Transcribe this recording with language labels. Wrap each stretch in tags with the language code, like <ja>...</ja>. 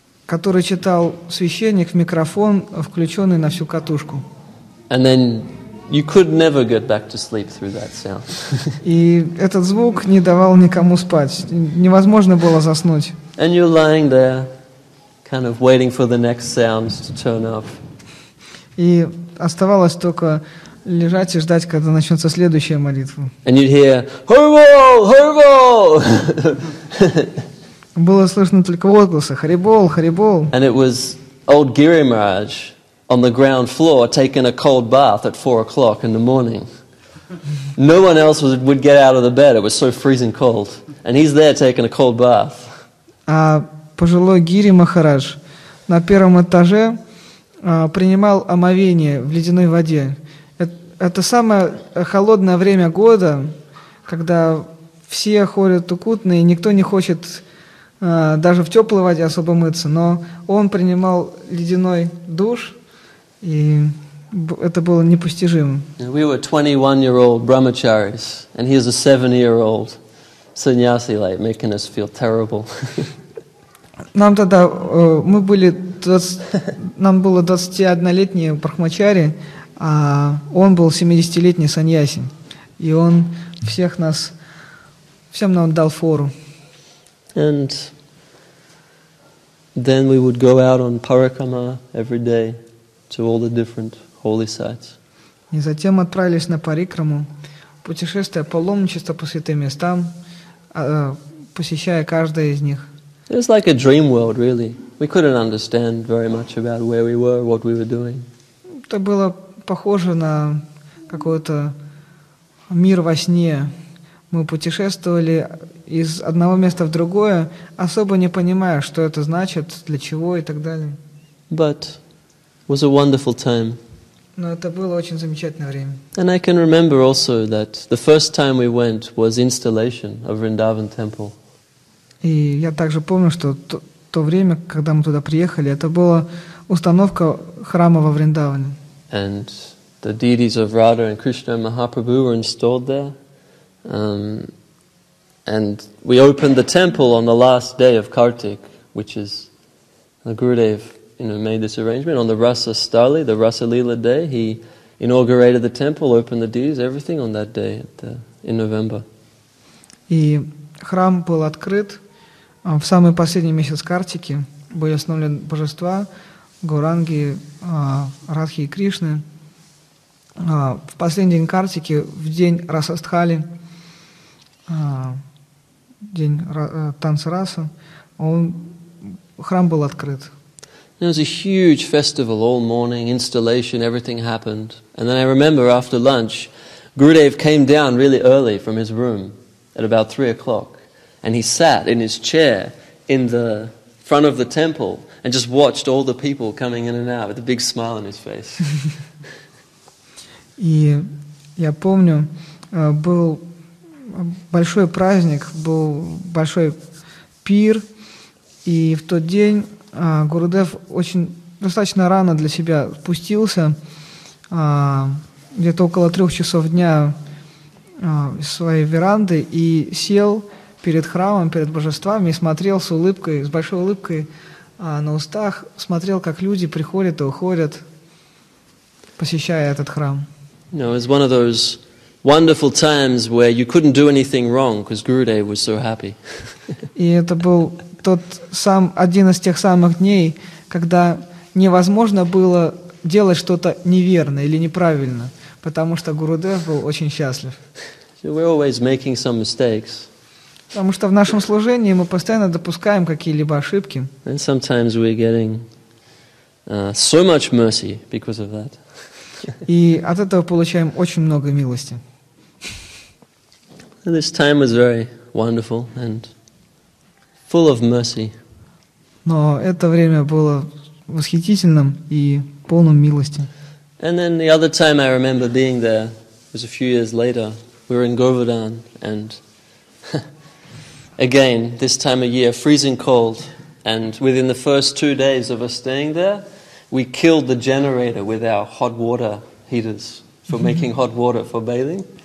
<ru>который читал священник в микрофон, включенный на всю катушку.</ru> <en>And then you could never get back to sleep through that sound.</en> <ru>И этот звук не давал никому спать. Невозможно было заснуть.</ru> <en>And you're lying there, kind of waiting for the next sounds to turn up.</en> <ru>И оставалось только лежать и ждать, когда начнется следующая молитва.</ru> <en>And you'd hear, Харибол, Харибол!</en> <ru>Было слышно только возгласы, Харибол, Харибол.</ru> <en>And it was old Giri Maharaj on the ground floor taking a cold bath at 4 o'clock in the morning. No one else would get out of the bed, it was so freezing cold. And he's there taking a cold bath.</en> <ru>А пожилой Гири Махарадж на первом этаже принимал омовение в ледяной воде. Это самое холодное время года, когда все ходят укутанные, никто не хочет даже в теплой воде особо мыться, но он принимал ледяной душ, и это было непостижимо.</ru> <en>We were 21-year-old brahmacharis, and here's a 7-year-old sannyasi like making us feel terrible.</en> <ru>Нам тогда нам было 21-летний брахмачари, а он был 70-летний саньяси, и он всем нам дал фору.</ru> <en>And then we would go out on parikrama every day to all the different holy sites.</en> <ru>И затем отправились на парикраму, путешествие паломничество по святым местам, посещая каждое из них.</ru> <en>It was like a dream world, really. We couldn't understand very much about where we were, what we were doing.</en> <ru>Это было похоже на какой-то мир во сне. Мы путешествовали из одного места в другое, особо не понимая, что это значит, для чего и так далее.</ru> <en>But it was a wonderful time.</en> <ru>Но это было очень замечательное время.</ru> <en>And I can remember also that the first time we went was installation of Vrindavan temple.</en> <ru>И я также помню, что то время, когда мы туда приехали, это была установка храма во Вриндаване.</ru> <en>And the deities of Radha and Krishna and Mahaprabhu were installed there. And we opened the temple on the last day of Kartik, which is the Gurudev, you know, made this arrangement on the Rasa Stali, the Rasa Lila day. He inaugurated the temple, opened the deities, everything on that day in November.</en> <ru>И храм был открыт в самый последний месяц Картики, были установлены божества Гуранги, Радхи и Кришны. В последний день Картики, в день Расастхали, день танца Раса, храм был открыт.</ru> <en>It was a huge festival all morning, installation, everything happened. And then I remember after lunch, Gurudev came down really early from his room at about 3 o'clock. And he sat in his chair in the front of the temple and just watched all the people coming in and out with a big smile on his face.</en> <ru>И я помню, был большой праздник, был большой пир, и в тот день Гурудев очень достаточно рано для себя спустился, где-то около 3 часов дня из своей веранды и сел перед храмом, перед божествами, и смотрел с улыбкой, с большой улыбкой на устах, смотрел, как люди приходят и уходят, посещая этот храм.</ru> <en>You know, it was one of those wonderful times where you couldn't do anything wrong, because Gurudev was so happy.</en> <ru>И это был один из тех самых дней, когда невозможно было делать что-то неверно или неправильно, потому что Гурудев был очень счастлив.</ru> <en>So we're always making some mistakes.</en> <ru>Потому что в нашем служении мы постоянно допускаем какие-либо ошибки.</ru> <en>And sometimes we're getting so much mercy because of that.</en> <ru>И от этого получаем очень много милости.</ru> <en>This time was very wonderful and full of mercy.</en> <ru>Но это время было восхитительным и полным милости.</ru> <en>And then the other time I remember being there was a few years later. We were in Govardhan and again, this time of year, freezing cold, and within the first 2 days of us staying there, we killed the generator with our hot water heaters for making hot water for bathing.</en>